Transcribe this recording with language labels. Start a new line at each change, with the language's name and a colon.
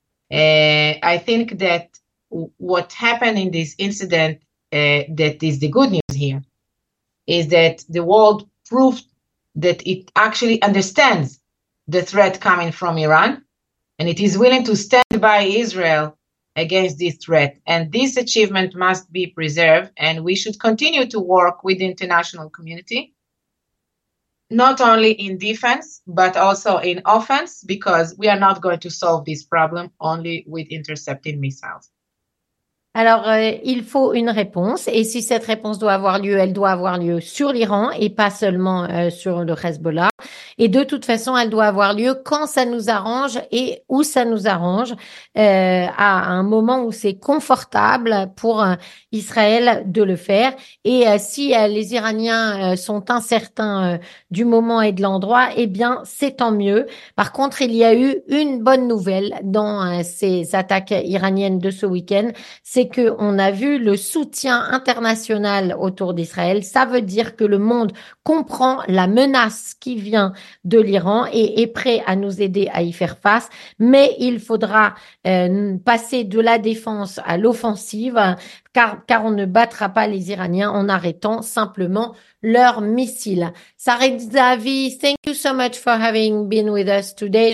English: I think that what happened in this incident, that is the good news here, is that the world proved that it actually understands the threat coming from Iran, and it is willing to stand by Israel against this threat. And this achievement must be preserved, and we should continue to work with the international community, not only in defense, but also in offense, because we are not going to solve this problem only with intercepting missiles.
French: Alors, il faut une réponse, et si cette réponse doit avoir lieu, elle doit avoir lieu sur l'Iran et pas seulement sur le Hezbollah. Et de toute façon, elle doit avoir lieu quand ça nous arrange et où ça nous arrange, à un moment où c'est confortable pour Israël de le faire. Et si les Iraniens sont incertains du moment et de l'endroit, eh bien, c'est tant mieux. Par contre, il y a eu une bonne nouvelle dans ces attaques iraniennes de ce week-end. C'est qu'on a vu le soutien international autour d'Israël. Ça veut dire que le monde comprend la menace qui vient de l'Iran et est prêt à nous aider à y faire face. Mais il faudra passer de la défense à l'offensive, car on ne battra pas les Iraniens en arrêtant simplement leurs missiles.
English: Sarit Zavi, thank you so much for having been with us today.